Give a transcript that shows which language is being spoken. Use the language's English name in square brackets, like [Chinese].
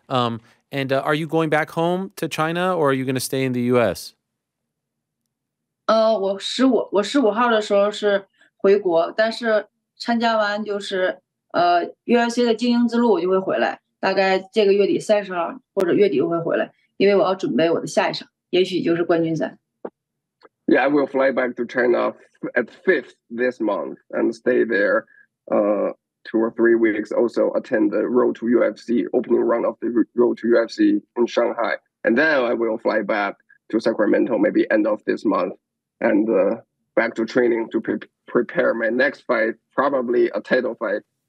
[English] And are you going back home to China, or are you going to stay in the U.S.? [Chinese] 我15号的时候是回国，但是 参加完就是UFC的精英之路，我就会回来，大概这个月底30号或者月底我会回来，因为我要准备我的下一场，也许就是冠军赛。Yeah, [English] I will fly back to China at 5th this month and stay there 2 or 3 weeks, also attend the Road to UFC, opening round of the Road to UFC in Shanghai. And then I will fly back to Sacramento maybe end of this month and back to training to prepare my next fight, probably a title fight.